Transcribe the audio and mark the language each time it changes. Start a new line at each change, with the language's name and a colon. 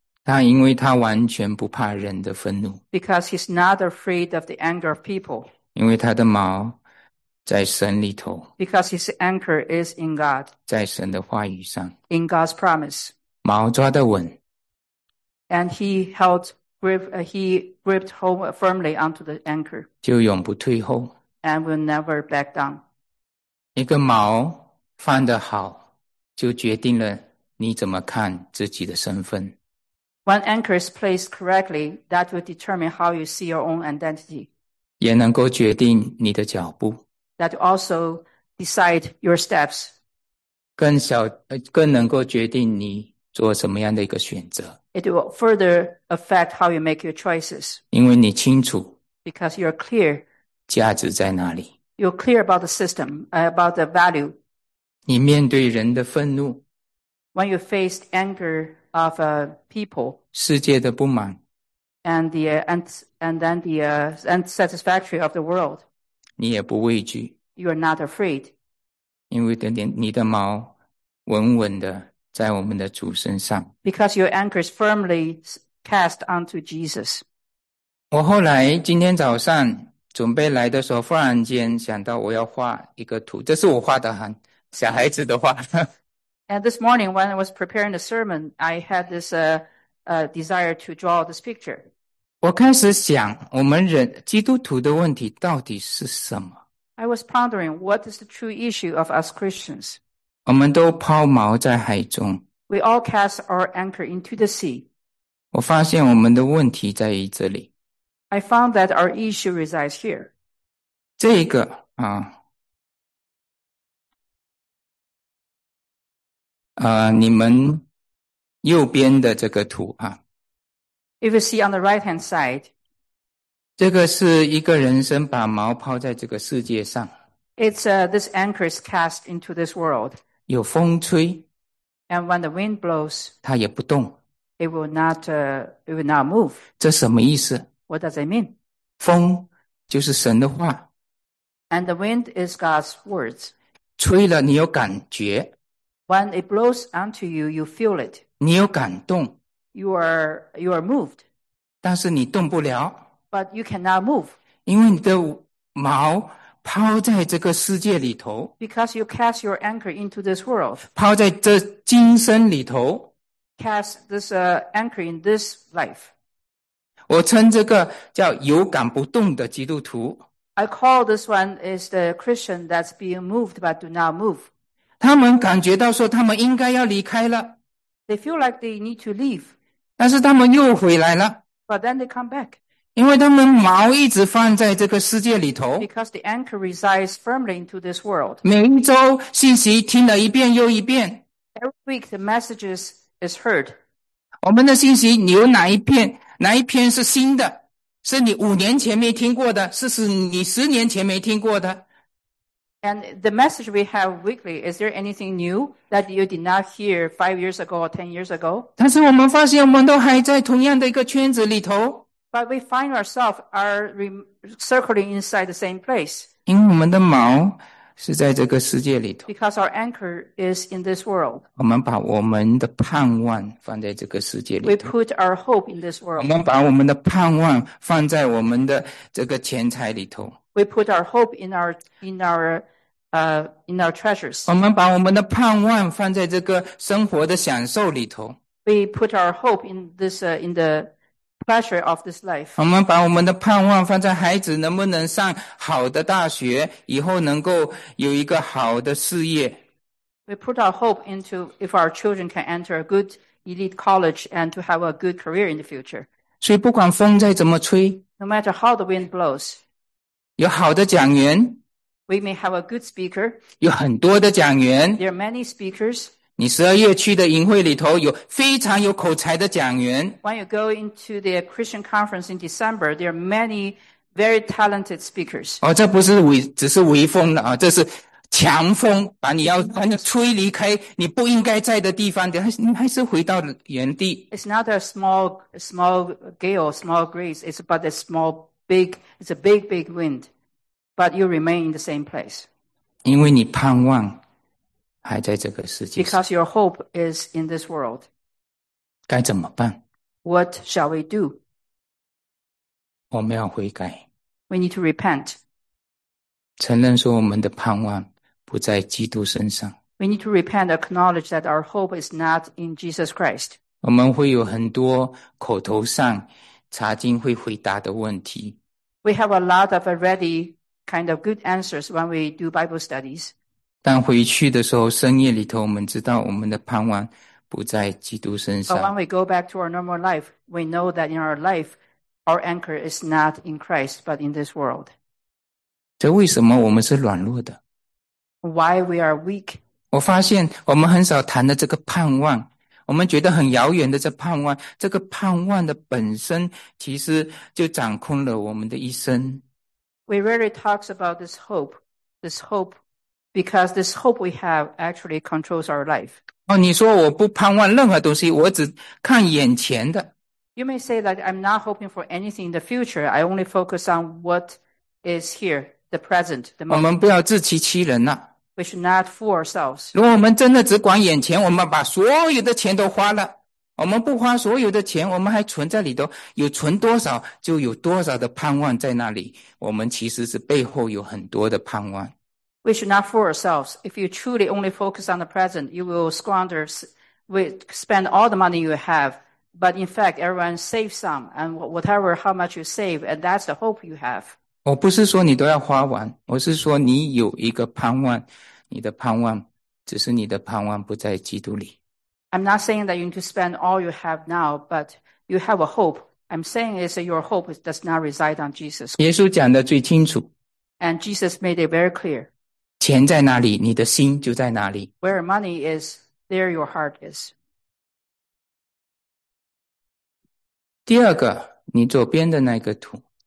Chinese: 他因为他完全不怕人的愤怒。
English: Because he's not afraid of the anger of people.
Chinese: 因为他的锚在神里头。
English: Because his anchor is in God.
Chinese: 在神的话语上。
English: In God's promise.
Chinese: 锚抓得稳。
English: And he gripped hold firmly onto the anchor.
Chinese: 就永不退后。
English: And will never back down.
Chinese: 一个锚放得好。就决定了你怎么看自己的身份。
English: When anchor is placed correctly, that will determine how you see your own identity.
Chinese: 也能够决定你的脚步。
English: That also decide your steps.
Chinese: 更能够决定你做什么样的一个选择。
English: It will further affect how you make your choices.
Chinese: 因为你清楚。
English: Because you are clear.
Chinese: 价值在哪里。
English: You are clear about the system, about the value.
Chinese: 你面对人的愤怒
English: When you face anger of people
Chinese: 世界的不满
English: And then the unsatisfactory of the world
Chinese: 你也不畏惧
English: You are not afraid
Chinese: 因为你的锚稳稳的在我们的主身上
English: Because your anchor is firmly cast onto Jesus
Chinese: 我后来今天早上准备来的时候忽然间想到我要画一个图这是我画的很小孩子的话。
English: And this morning when I was preparing the sermon, I had this desire to draw this picture.
Chinese: 我开始想，我们人基督徒的问题到底是什么？
English: I was pondering what is the true issue of us Christians.
Chinese: 我们都抛锚在海中。
English: We all cast our anchor into the sea.
Chinese: 我发现我们的问题在于这里。
English: I found that our issue resides here.
Chinese: 这一个啊，你们右边的这个图啊。
English: If you see on the right hand side,
Chinese: 这个是一个人生把锚抛在这个世界上。
English: It's this anchor is cast into this world.
Chinese: 有风吹。
English: And when the wind blows,
Chinese: 它也不动。
English: It will not move.
Chinese: 这什么意思？
English: What does it mean?
Chinese: 风就是神的话。
English: And the wind is God's words.
Chinese: 吹了你有感觉。
English: When it blows onto you, you feel it.
Chinese: 你有感动。
English: You are moved.
Chinese: 但是你动不了。
English: But you cannot move.
Chinese: 因为你的锚抛在这个世界里头。
English: Because you cast your anchor into this world.
Chinese: 抛在这今生里头。
English: Cast this anchor in this life.
Chinese: 我称这个叫有感不动的基督徒。
English: I call this one is the Christian that's being moved but do not move.
Chinese: 他们感觉到说他们应该要离开了。
English: They feel like they need to leave.
Chinese: 但是他们又回来了。
English: But then they come back.
Chinese: 因为他们锚一直放在这个世界里头。
English: Because the anchor resides firmly into this world.
Chinese: 每一周信息听了一遍又一遍。
English: Every week the messages is heard.
Chinese: 我们的信息有哪一篇，哪一篇是新的，是你五年前没听过的，是你十年前没听过的。
English: And the message we have weekly, is there anything new that you did not hear 5 years ago or 10 years ago?
Chinese: 但是我们发现我们都还在同样的一个圈子里头。
English: But we find ourselves are circling inside the same place.
Chinese: 因为我们的锚是在这个世界里头。
English: Because our anchor is in this world.
Chinese: 我们把我们的盼望放在这个世界里头。
English: We put our hope in this world.
Chinese: 我们把我们的盼望放在我们的这个钱财里头。
English: We put our hope in our treasures.
Chinese: 我们把我们的盼望放在这个生活的享受里头。
English: We put our hope in this, in the pleasure of this life.
Chinese: 我们把我们的盼望放在孩子能不能上好的大学，以后能够有一个好的事业。
English: We put our hope into if our children can enter a good elite college and to have a good career in the future.
Chinese: 所以不管风再怎么吹，
English: No matter how the wind blows,
Chinese: 有好的讲员，
English: We may have a good speaker,
Chinese: 有很多的讲员，
English: There are many speakers.
Chinese: 你十二月去的营会里头有非常有口才的讲员。
English: When you go into the Christian conference in December, there are many very talented speakers.
Chinese: 哦，这不是只是微风啊，这是强风，把你要把你吹离开你不应该在的地方，你还是回到原地。
English: It's not a small gale, small breeze. It's but a small big. It's a big big wind, but you remain in the same place.
Chinese: 因为你盼望。还在这个世界。
English: Because your hope is in this world.
Chinese: 该怎么办？
English: What shall we do?
Chinese: 我们要悔改。
English: We need to repent.
Chinese: 承认说我们的盼望不在基督身上。
English: We need to repent, acknowledge that our hope is not in Jesus Christ.
Chinese: 我们会有很多口头上查经会回答的问题。
English: We have a lot of already kind of good answers when we do Bible studies.
Chinese: 但回去的时候，深夜里头，我们知道我们的盼望不在基督身上。
English: But when we go back to our normal life, we know that in our life, our anchor is not in Christ, but in this world.
Chinese: 这为什么我们是软弱的？
English: Why we are weak?
Chinese: 我发现我们很少谈的这个盼望，我们觉得很遥远的这盼望，这个盼望的本身其实就掌控了我们的一生。
English: We rarely talk about this hope. Because this hope we have actually controls our life.
Chinese: 哦，你说我不盼望任何东西，我只看眼前的。
English: You may say that I'm not hoping for anything in the future. I only focus on what is here, the present, the moment.
Chinese: 我们不要自欺欺人了。
English: We should not fool ourselves.
Chinese: 如果我们真的只管眼前，我们把所有的钱都花了，我们不花所有的钱，我们还存在里头，有存多少就有多少的盼望在那里。我们其实是背后有很多的盼望。
English: We should not fool ourselves. If you truly only focus on the present, you will squander, spend all the money you have But in fact, everyone saves some, and whatever, how much you save, and that's the hope you have.
Chinese: 我不是说你都要花完，我是说你有一个盼望，你的盼望只是你的盼望不在基督里。
English: I'm not saying that you need to spend all you have now, but you have a hope. I'm saying is that your hope does not reside on Jesus.
Chinese: 耶稣讲的最清楚。
English: And Jesus made it very clear.
Chinese: 钱在哪里，你的心就在哪里。
English: Where money is, there your heart is.
Chinese: 第二个，你左边的那个图。